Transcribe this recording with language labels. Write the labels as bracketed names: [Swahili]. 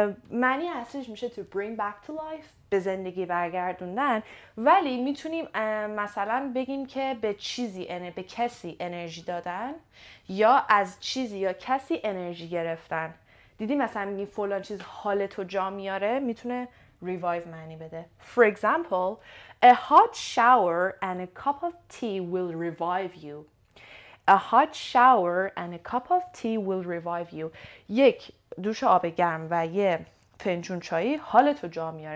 [Persian] معنی اصلیش میشه [English] to bring back to life، [Persian] به زندگی برگردوندن. ولی میتونیم مثلا بگیم که به چیزی، به کسی انرژی دادن، یا از چیزی یا کسی انرژی گرفتن. دیدی مثلا میگیم فلان چیز حالتو جا میاره، میتونه revive معنی بده. [English] For example, a hot shower and a cup of tea will revive you. A hot shower and a cup of tea will revive you. [Persian] یک دوش آب گرم و یه فنجون چایی حالتو جا میاره.